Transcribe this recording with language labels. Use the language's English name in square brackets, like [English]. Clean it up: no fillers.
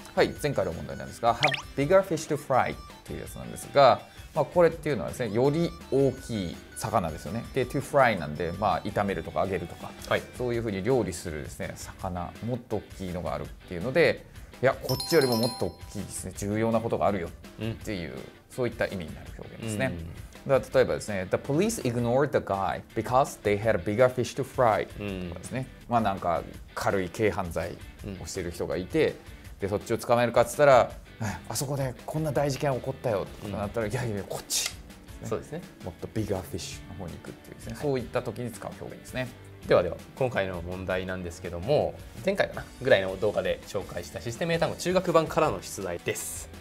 [Japanese] はい、前回の問題なんですが [English] Have bigger fish to fry [Japanese] というやつなんですが、まあ、これっていうのはですね、より大きい魚ですよね。で、 [English] to fry [Japanese] なんで、まあ、炒めるとか揚げるとか、はい、そういうふうに料理するですね、魚、もっと大きいのがあるっていうので、いや、こっちよりももっと大きいですね、重要なことがあるよっていう、うん、そういった意味になる表現ですね。うん、だから例えばですね、 [English] The police ignored the guy because they had a bigger fish to fry、 [Japanese] うん、とかですね。まあ、なんか軽い軽犯罪をしてる人がいて、で、そっちを捕まえるかって言ったら、あそこでこんな大事件起こったよとかなったら、うん、いやいやこっち、ね、そうですね、もっとビガーフィッシュの方に行くっていうですね、はい、そういった時に使う表現ですね。ではでは今回の問題なんですけども、前回かなぐらいの動画で紹介したシステム英単語中学版からの出題です。